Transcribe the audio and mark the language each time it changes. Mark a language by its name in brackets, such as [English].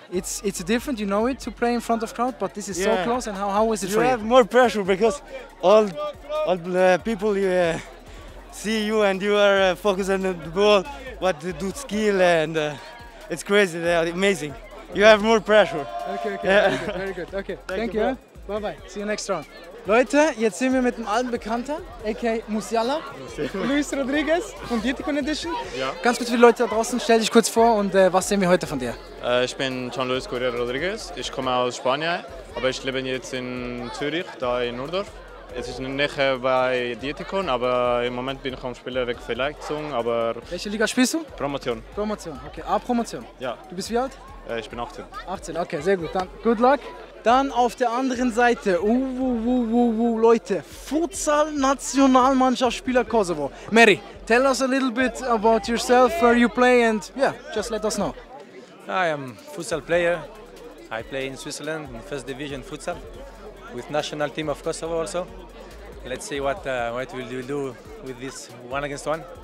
[English] It's different, you know it, to play in front of crowd, but this is so close, and how was it you for you? You have more pressure because all the people see you and you are focused on the ball, what to do skill, and it's crazy, they are amazing. You have more pressure. Okay, yeah. very good. Okay, thank you. Bye-bye, see you next round. [German] Leute, jetzt sind wir mit dem alten Bekannten, a.k.a. Musiala, Luis Rodriguez von Dietikon Edition. Ja. Ganz kurz für die Leute da draußen, stell dich kurz vor und was sehen wir heute von dir? Ich bin Jan Luis Correa Rodriguez, ich komme aus Spanien, aber ich lebe jetzt in Zürich, da in Nurdorf. Es ist nicht bei Dietikon, aber im Moment bin ich am Spieler weg für Leistung, aber... Welche Liga spielst du? Promotion. Promotion, okay. A-Promotion. Ja. Du bist wie alt? Ich bin 18. 18, okay, sehr gut. Dann, [English] good luck. [German] Dann auf der anderen Seite, Leute, Futsal-Nationalmannschaftsspieler Kosovo. [English] Mary, tell us a little bit about yourself, where you play and yeah, just let us know. I am futsal player. I play in Switzerland in First Division Futsal with national team of Kosovo also. Let's see what will you do with this one against one.